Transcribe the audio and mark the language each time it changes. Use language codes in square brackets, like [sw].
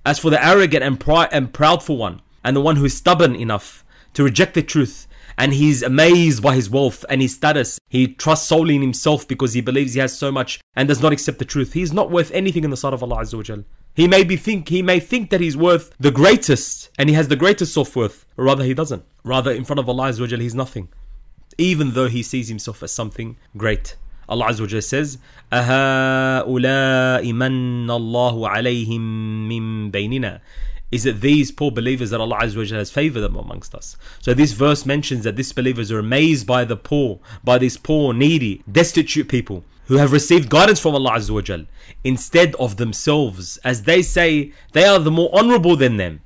[en] As for the arrogant and proudful one, and the one who is stubborn enough to reject the truth, and he's amazed by his wealth and his status, he trusts solely in himself because he believes he has so much and does not accept the truth, he's not worth anything in the sight of Allah Azza wa Jalla. He may think that he's worth the greatest and he has the greatest self-worth. Rather, he doesn't. Rather, in front of Allah Azza wa Jalla, he's nothing. Even though he sees himself as something great. Allah Azza wa Jalla says, [ar] أَهَٰؤُلَاءِ مَنَّ اللَّهُ عَلَيْهِمْ مِنْ بَيْنِنَا. [en] Is it these poor believers that Allah Azza wa Jalla has favored them amongst us? So this verse mentions that disbelievers are amazed by the poor, by these poor, needy, destitute people who have received guidance from Allah Azza wa Jalla instead of themselves, as they say they are the more honorable than them.